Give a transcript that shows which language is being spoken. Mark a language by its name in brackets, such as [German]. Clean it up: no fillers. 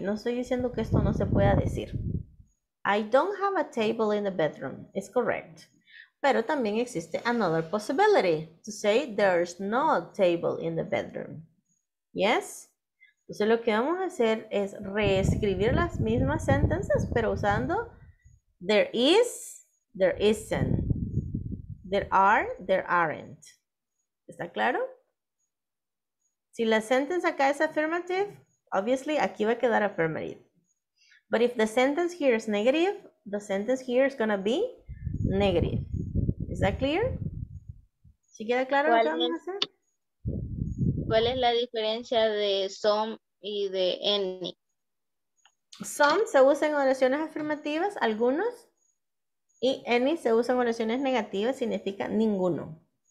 [Spanish] No estoy diciendo que esto no se pueda decir. [English] I don't have a table in the bedroom. It's correct. [Spanish] Pero también existe [English] another possibility to say there's no table in the bedroom. Yes? [Spanish] Entonces, lo que vamos a hacer es reescribir las mismas sentences, pero usando [English] there is, there isn't. There are, there aren't. [Spanish] ¿Está claro? Si la sentence acá es affirmative, obviously aquí va a quedar affirmative. [English] But if the sentence here is negative, the sentence here is going to be negative. [Spanish] ¿Está clear? ¿Sí queda claro lo que vamos a hacer? ¿Cuál es la diferencia de some y de any? Some se usa en oraciones afirmativas, algunos, y any se usa en oraciones negativas, significa ninguno.